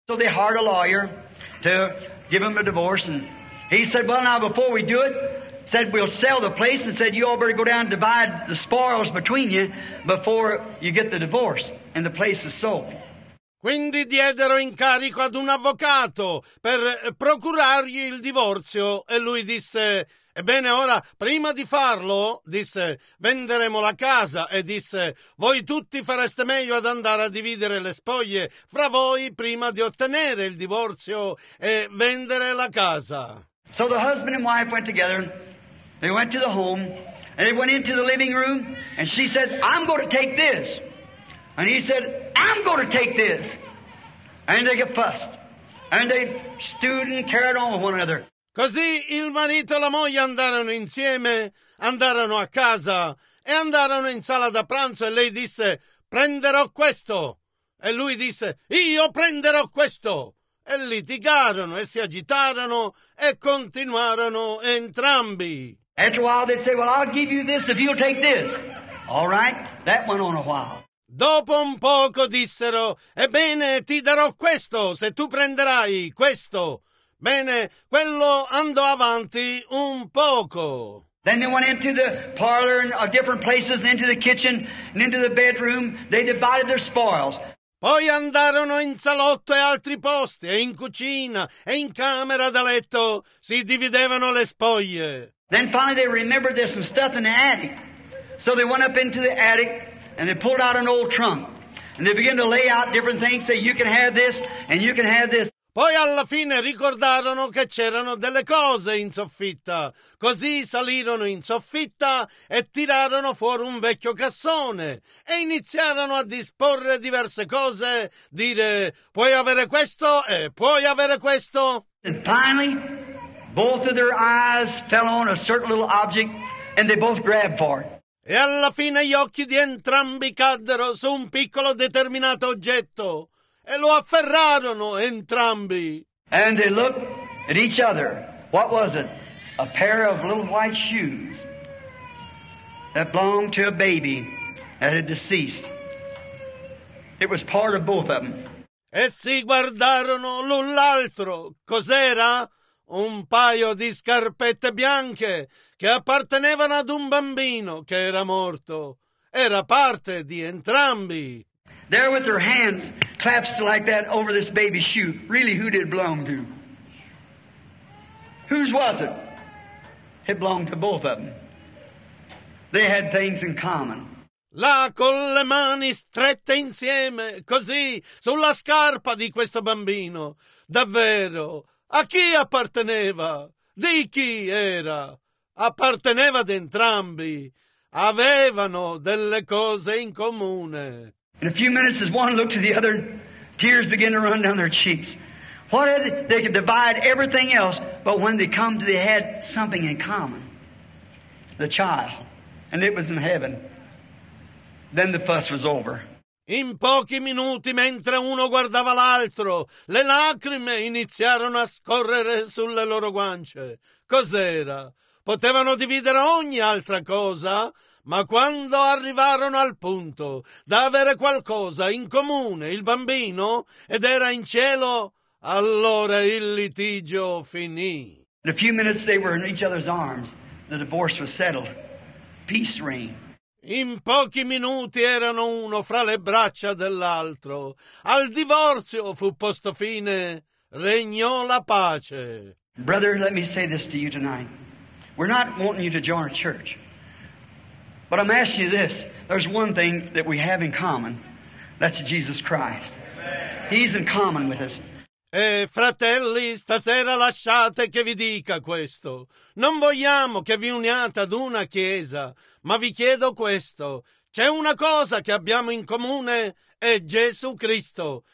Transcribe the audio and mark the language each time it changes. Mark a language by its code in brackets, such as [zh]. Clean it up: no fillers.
[en] So they hired a lawyer to give him a divorce and he said, well now before we do it, said we'll sell the place and said you all better go down and divide the spoils between you before you get the divorce and the place is sold. [it] Quindi diedero incarico ad un avvocato per procurargli il divorzio e lui disse, ebbene ora, prima di farlo, disse, venderemo la casa e disse, voi tutti fareste meglio ad andare a dividere le spoglie fra voi prima di ottenere il divorzio e vendere la casa. [en] So the husband and wife went together, they went to the home, and they went into the living room, and she said, I'm going to take this. And he said, I'm going to take this. And they got fussed. And they stewed and carried on with one another. [it] Così il marito e la moglie andarono insieme, andarono a casa e andarono in sala da pranzo e lei disse, prenderò questo. E lui disse, io prenderò questo. E litigarono e si agitarono e continuarono entrambi. [en] After a while they'd say, well, I'll give you this if you'll take this. All right, that went on a while. [it] Dopo un poco dissero, ebbene ti darò questo se tu prenderai questo. Bene, quello andò avanti un poco. [en] Then they went into the parlor and different places and into the kitchen and into the bedroom. They divided their spoils. [it] Poi andarono in salotto e altri posti e in cucina e in camera da letto. Si dividevano le spoglie. [en] Then finally they remembered there's some stuff in the attic. So they went up into the attic. And they pulled out an old trunk and they began to lay out different things, say you can have this and you can have this. [it] Poi alla fine ricordarono che c'erano delle cose in soffitta. Così salirono in soffitta e tirarono fuori un vecchio cassone e iniziarono a disporre diverse cose, dire puoi avere questo e puoi avere questo. [en] And finally both of their eyes fell on a certain little object and they both grabbed for it. [it] E alla fine gli occhi di entrambi caddero su un piccolo determinato oggetto e lo afferrarono entrambi. [en] And they looked at each other. What was it? A pair of little white shoes that belonged to a baby that had deceased. It was part of both of them. [it] Essi guardarono l'un l'altro. Cos'era? Un paio di scarpette bianche che appartenevano ad un bambino che era morto. Era parte di entrambi. [en] There with their hands clasped like that over this baby's shoe. Really, who did it belong to? Whose was it? It belonged to both of them. They had things in common. [it] Là con le mani strette insieme, così, sulla scarpa di questo bambino. Davvero. A chi apparteneva? Di chi era? Apparteneva ad entrambi. Avevano delle cose in comune. [en] In a few minutes, as one looked to the other, tears began to run down their cheeks. What had they could divide everything else, but when they come to, they had something in common. The child. And it was in heaven. Then the fuss was over. [it] In pochi minuti, mentre uno guardava l'altro, le lacrime iniziarono a scorrere sulle loro guance. Cos'era? Potevano dividere ogni altra cosa, ma quando arrivarono al punto da avere qualcosa in comune, il bambino, ed era in cielo, allora il litigio finì. [en] In a few minutes they were in each other's arms. The divorce was settled. Peace reigned. [it] In pochi minuti erano uno fra le braccia dell'altro. Al divorzio fu posto fine. Regnò la pace. [en] Brother, let me say this to you tonight. We're not wanting you to join a church. But I'm asking you this. There's one thing that we have in common. That's Jesus Christ. He's in common with us. [it] E fratelli, stasera lasciate che vi dica questo. Non vogliamo che vi uniate ad una chiesa, ma vi chiedo questo. C'è una cosa che abbiamo in comune, è Gesù Cristo.